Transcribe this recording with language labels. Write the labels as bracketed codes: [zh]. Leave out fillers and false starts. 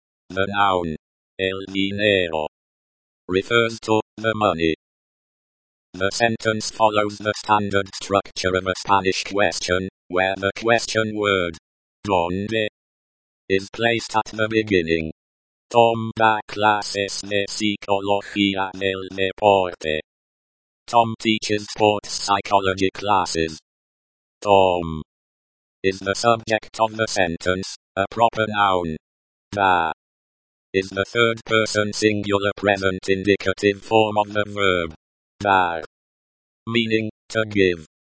[en] The noun el dinero refers to the money. The sentence follows the standard structure of a Spanish question, where the question word ¿dónde? Is placed at the beginning. [es] Toma clases de psicología del deporte. [en] Tom teaches sports psychology classes. Tom is the subject of the sentence, a proper noun. Da is the third person singular present indicative form of the verb dar, meaning to give.